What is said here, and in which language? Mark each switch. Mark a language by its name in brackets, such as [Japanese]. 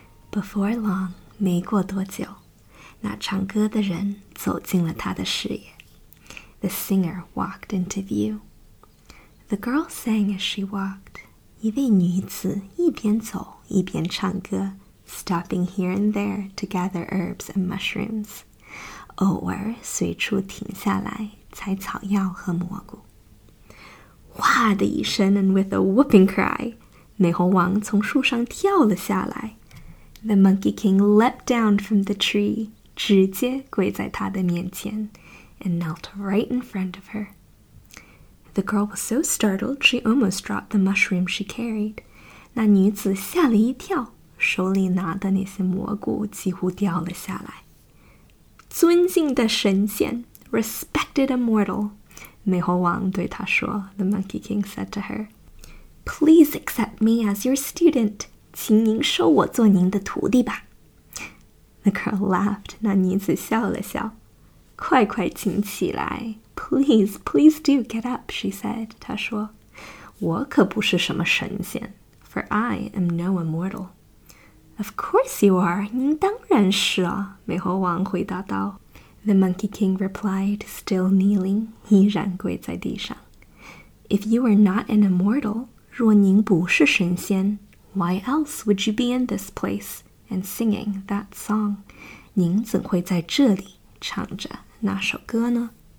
[English] Before long, [Chinese] 没过多久，那唱歌的人走进了他的视野。 [English] The singer walked into view. The girl sang as she walked. [Chinese] 一位女子一边走一边唱歌 [English] stopping here and there to gather herbs and mushrooms. [Chinese] 偶尔随处停下来采草药和蘑菇。哗的一声 [English] and with a whooping cry, [Chinese] 美猴王从树上跳了下来。 [English] The Monkey King leapt down from the tree, [Chinese] 直接跪在她的面前 [English] and knelt right in front of her. The girl was so startled, she almost dropped the mushroom she carried. [Chinese] 那女子吓了一跳，手里拿的那些蘑菇几乎掉了下来。尊敬的神仙 [English] ,respected immortal, [Chinese] 美猴王对她说 [English] ,the Monkey King said to her, Please accept me as your student, [Chinese] 请您收我做您的徒弟吧。 [English] The girl laughed, [Chinese] 那女子笑了笑。快快请起来。 [English] Please, please do get up, she said. [Chinese] 她说，我可不是什么神仙 [English] for I am no immortal. Of course you are, [Chinese] 您当然是啊，美猴王回答道。 [English] The Monkey King replied, still kneeling, [Chinese] 依然跪在地上。 [English] If you were not an immortal, [Chinese] 若您不是神仙 [English] why else would you be in this place and singing that song? [Chinese] 您怎会在这里唱着那首歌呢？